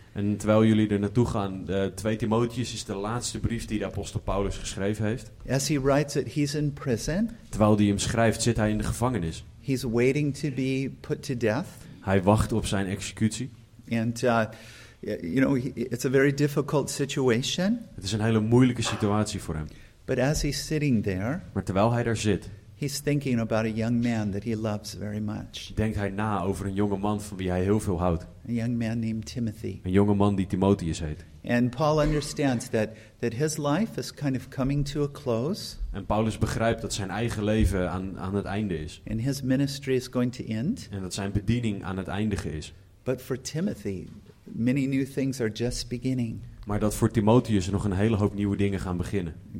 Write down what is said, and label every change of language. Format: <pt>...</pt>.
<nl>En terwijl jullie er naartoe gaan, 2 Timotheus is de laatste brief die de apostel Paulus geschreven heeft.</nl> <en>As he writes it, he's in prison.</en> <nl>Terwijl hij hem schrijft, zit hij in de gevangenis.</nl> <en>He's waiting to be put to death.</en> <nl>Hij wacht op zijn executie.</nl> <en>And you know, it's a very difficult situation.</en> <nl>Het is een hele moeilijke situatie voor hem.</nl> <en>But as he's sitting there,</en> <nl>maar terwijl hij daar zit,</nl> <en>he's thinking about a young man that he loves very much.</en> <nl>Denkt hij na over een jonge man van wie hij heel veel houdt.</nl> <en>A young man named Timothy.</en> <nl>Een jonge man die Timotheus heet.</nl> <en>And Paul understands that his life is kind of coming to a close.</en> <nl>En Paulus begrijpt dat zijn eigen leven aan het einde is.</nl> <en>And his ministry is going to end.</en> <nl>En dat zijn bediening aan het eindigen is.</nl> <en>But for Timothy, many new things are just beginning.</en> <nl>Maar dat voor Timotheus nog een hele hoop nieuwe dingen gaan beginnen.</nl>